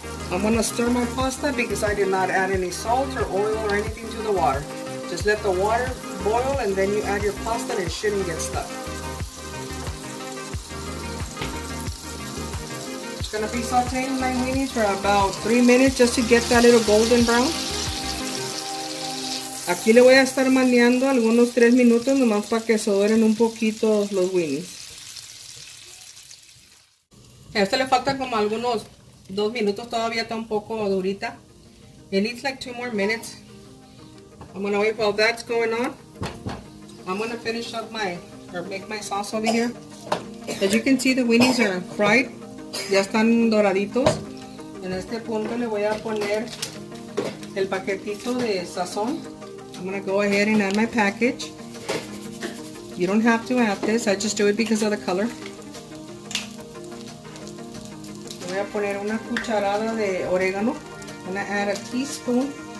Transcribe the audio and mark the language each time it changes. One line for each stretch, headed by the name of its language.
English: I'm going to stir my pasta because I did not add any salt or oil or anything to the water. Just let the water boil and then you add your pasta and it shouldn't get stuck. It's going to be sauteing my weenies for about 3 minutes just to get that little golden brown.
Spanish: Aquí le voy a estar maneando algunos 3 minutos nomás para que se doren un poquito los weenies. A este le faltan como algunos 2 minutos, todavía está un poco durita.
English: It needs like 2 more minutes. I'm gonna wait while that's going on. I'm gonna finish up make my sauce over here. As you can see, the weenies are fried.
Spanish: Ya están doraditos. En este punto le voy a poner el paquetito de sazón.
English: I'm gonna go ahead and add my package. You don't have to add this. I just do it because of the color.
Spanish: Le voy a poner 1 cucharada de orégano.
English: I'm gonna add 1 teaspoon.